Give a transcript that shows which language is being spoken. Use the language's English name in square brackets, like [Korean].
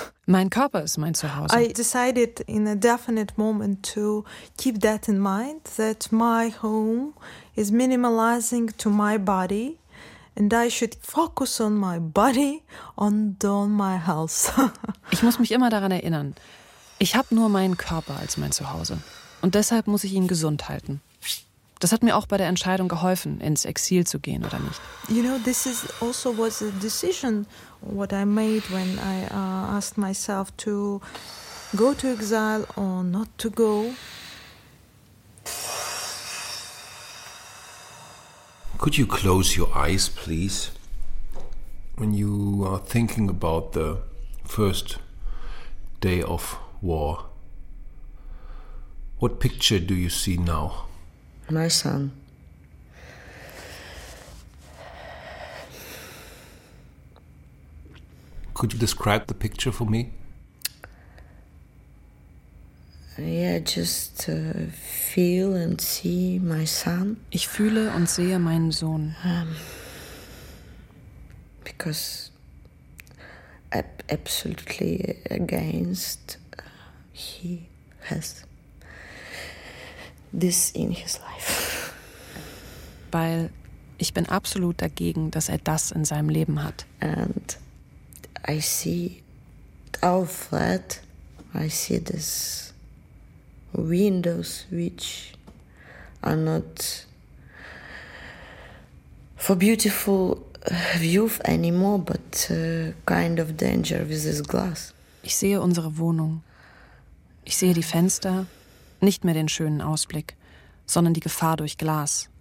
[German] Mein Körper ist mein Zuhause. [English] I decided in a definite moment to keep that in mind, that my home is minimalizing to my body and I should focus on my body and on my health. [German] Ich muss mich immer daran erinnern. Ich habe nur meinen Körper als mein Zuhause und deshalb muss ich ihn gesund halten. Das hat mir auch bei der Entscheidung geholfen, ins Exil zu gehen oder nicht. [English] You know, this is also was a decision what I made when I asked myself to go to exile or not to go. Could you close your eyes, please? When you are thinking about the first day of war, what picture do you see now? My son. Could you describe the picture for me? Yeah, just feel and see my son. [German] Ich fühle und sehe meinen Sohn. [English] Because absolutely against he has this in his life. [German] Weil ich bin absolut dagegen, dass er das in seinem Leben hat. [English] And I see our flat. I see these windows which are not for beautiful view anymore, but kind of danger with this glass. [German] Ich sehe unsere Wohnung. Ich sehe die Fenster. Nicht mehr den schönen Ausblick, sondern die Gefahr durch Glas.